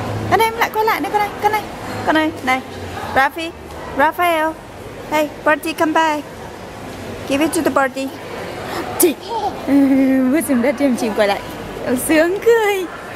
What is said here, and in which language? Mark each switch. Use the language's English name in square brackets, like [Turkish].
[Vietnamese] Con em lại quay lại đây, con này, này. [English] Rafi, Rafael, hey, buddy, come back. Give it to the buddy. [Vietnamese] Chị, vứt xuống đất cho em chim quay lại. Em sướng cười.